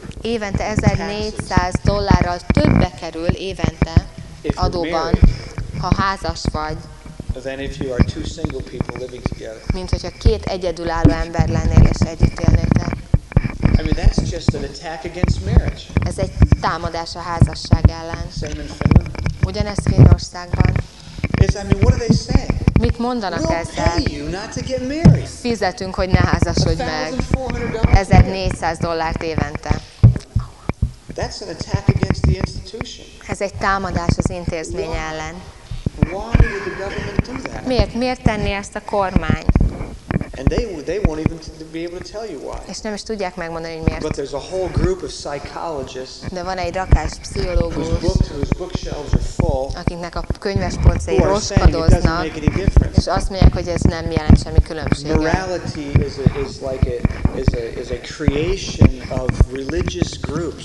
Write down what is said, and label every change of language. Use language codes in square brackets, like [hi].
[hu] Évente $1,400 többbe kerül évente adóban, ha házas vagy. [en] Than if you are two single people living together. [hu] Mint hogyha két egyedülálló ember lennél és együtt élnétek. [en] I mean, that's just an attack against marriage. [hu] Ez egy támadás a házasság ellen. [en] Same in Finland. [hu] Ugyanez Finnországban. [en] I mean, what do they say? [hu] Mit mondanak ezzel? Fizetünk, hogy ne házasodj meg. $1,400 évente. [en] That's an attack against the institution. [hu] Ez egy támadás az intézmény ellen. [en] Why would the government do that? [hu] Miért tenni ezt a kormány? [en] And they won't even be able to tell you why. [hu] És nem is tudják megmondani, hogy miért. [en] But there's a whole group of psychologists. [hu] De van egy rakás pszichológus. [en] Whose bookshelves are full. [hu] Akiknek a könyvespolcai roskadoznak. És azt mondják, hogy ez nem jelent semmi különbséget. [en] Morality is a creation of religious groups.